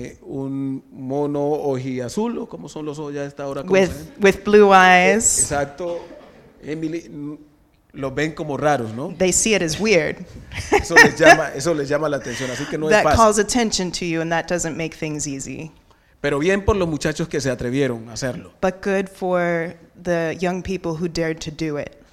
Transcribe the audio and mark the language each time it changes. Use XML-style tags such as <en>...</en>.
<es>Un mono ojiazul, ¿cómo son los ojos ya a esta hora?</es> <en>With blue eyes.</en> <es>Exacto. Emily, los ven como raros, ¿no?</es> <en>They see it as weird.</en> <es>eso les llama la atención, así que no es fácil.</es> <en>That calls attention to you, and that doesn't make things easy.</en> <es>Pero bien por los muchachos que se atrevieron a hacerlo.</es> <en>But good for the young people who dared to do it.</en>